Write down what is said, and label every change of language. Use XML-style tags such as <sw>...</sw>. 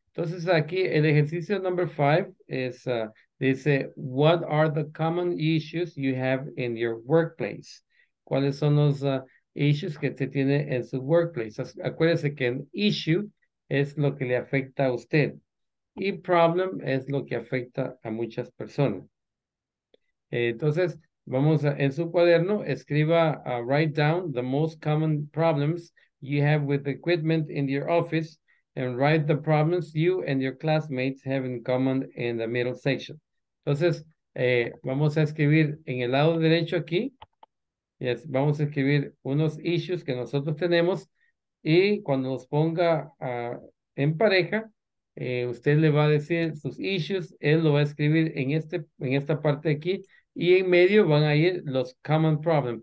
<es>Entonces, aquí el ejercicio</es> <en>number 5 es, dice, what are the common issues you have in your workplace?</en> <es>¿Cuáles son los issues que usted tiene en su workplace? Acuérdese que an issue es lo que le afecta a usted. Y problem es lo que afecta a muchas personas. Entonces, vamos a, en su cuaderno, escriba,</es> <en>write down the most common problems you have with equipment in your office and write the problems you and your classmates have in common in the middle section.</en> <es>Entonces, vamos a escribir en el lado derecho aquí. Yes, vamos a escribir unos issues que nosotros tenemos y cuando los ponga en pareja, usted le va a decir sus issues, él lo va a escribir en esta parte de aquí y en medio van a ir los</es> <en>common problems.</en>